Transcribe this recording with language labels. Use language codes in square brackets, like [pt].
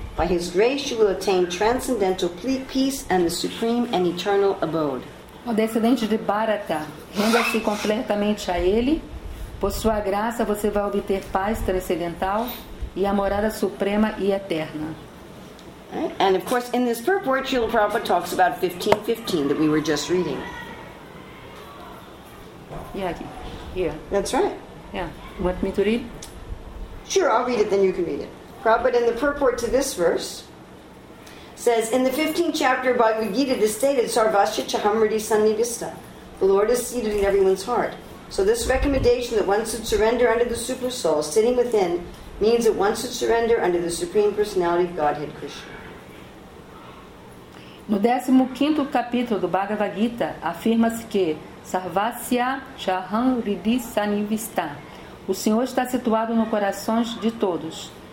[en] By his grace you will attain transcendental peace and the supreme and eternal abode. [pt] O descendente de Bharata, renda-se completamente a ele. Por sua graça você vai obter paz transcendental e a morada suprema e eterna. [en] Right? And of course in this purport Srila Prabhupada talks about 1515 that we were just reading. Yeah, here. That's right. Yeah. Want me to read? Sure, I'll read it, then you can read it. Prabhupada, in the purport to this verse, says, in the 15th chapter of Bhagavad Gita, it is stated, [sa] Sarvasya Chahamriti Sannivista, [en] the Lord is seated in everyone's heart. So this recommendation that one should surrender under the super soul, sitting within, means that one should surrender under the Supreme Personality of Godhead, Krishna. [pt] No 15º capítulo do Bhagavad Gita, afirma-se que [sa] Sarvasya Chahamriti Sannivista, [pt] O Senhor está situado nos corações de todos.